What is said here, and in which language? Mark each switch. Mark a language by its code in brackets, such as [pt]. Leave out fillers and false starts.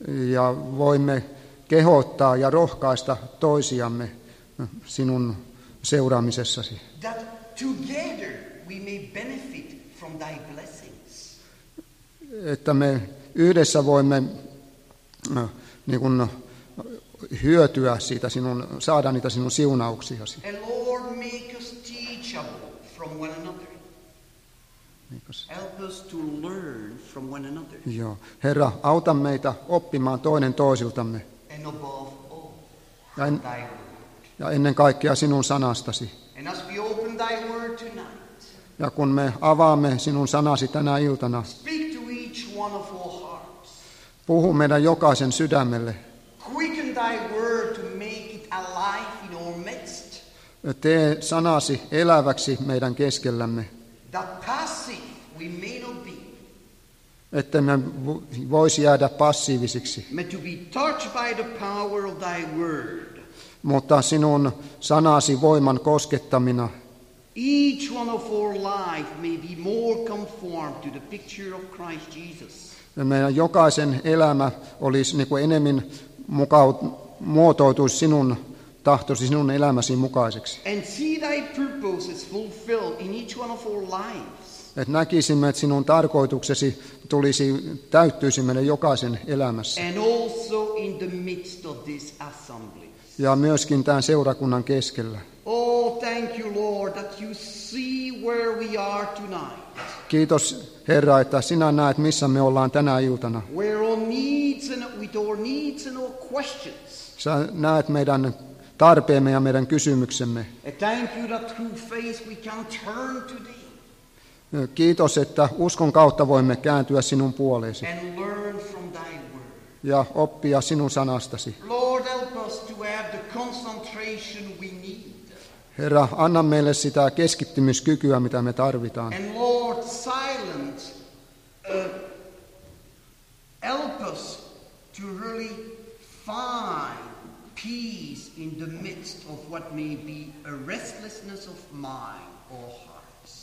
[fi] Ja voimme kehottaa ja rohkaista toisiamme sinun seuraamisessasi. [en] That together we may benefit from thy blessings. [fi] Että me yhdessä voimme niin kuin hyötyä siitä sinun, saada niitä sinun siunauksiasi. [en] And Lord, make us teachable from one another. Help us to learn from one another. [fi] Joo. Herra, auta meitä oppimaan toinen toisiltamme. [en] And above all, thy word. [fi] Ja ennen kaikkea sinun sanastasi. [en] And as we open thy word tonight, [fi] ja kun me avaamme sinun sanasi tänä iltana, [en] speak to each one of our hearts. [fi] Puhu meidän jokaisen sydämelle. [en] Quicken thy word to make it alive in our midst. [fi] Tee sanasi eläväksi meidän keskellämme. [en] That passive we may not be. [fi] Että me voisi jäädä passiivisiksi. [en] May to be touched by the power of thy word. [fi] Mutta sinun sanasi voiman koskettamina. [en] Each one of our life may be more conformed to the picture of Christ Jesus. [fi] Meidän jokaisen elämä olisi niin kuin enemmän muotoutuisi sinun tahtosi, sinun elämäsi mukaiseksi. [en] And see thy purposes fulfilled in each one of our lives. [fi] Et näkisimme, että sinun tarkoituksesi tulisi täyttyisi meidän jokaisen elämässä. [en] And also in the midst of this assembly. [fi] Ja myöskin tämän seurakunnan keskellä. [en] Oh, thank you, Lord, that you see where we are tonight. [fi] Kiitos, Herra, että sinä näet, missä me ollaan tänä iltana. [en] Where our needs and with our needs and our questions. [fi] Sä näet meidän tarpeemme ja meidän kysymyksemme. [en] And thank you that through faith we can turn to thee. [fi] Kiitos, että uskon kautta voimme kääntyä sinun puoleesi. [en] And learn from thy word. [fi] Ja oppia sinun sanastasi. [en] Lord, help us to have the concentration we need. [fi] Herra, anna meille sitä keskittymiskykyä, mitä me tarvitaan. [en] And Lord, silence, help us to really find peace in the midst of what may be a restlessness of mind or hearts.